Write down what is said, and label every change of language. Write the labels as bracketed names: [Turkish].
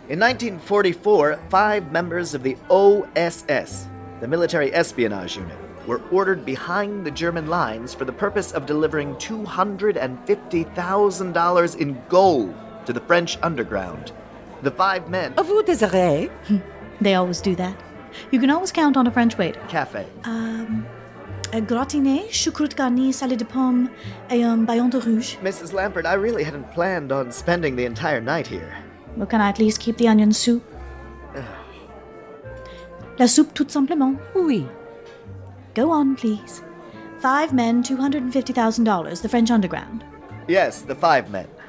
[English] In 1944, five members of the OSS, the Military Espionage Unit, were ordered behind the German lines for the purpose of delivering $250,000 in gold to the French underground. The five men... [French] A vous désirez? [English] They always do that. You can always count on a French waiter. Cafe. [French] A gratiné, choucroute garnie, salade de pommes, et un bouillon de rouge. [English] Mrs. Lampert, I really hadn't planned on spending the entire night here. Well, can I at least keep the onion soup? [French] La soupe tout simplement. Oui. [English] Go on, please. Five men, $250,000, the French underground. Yes, the five men.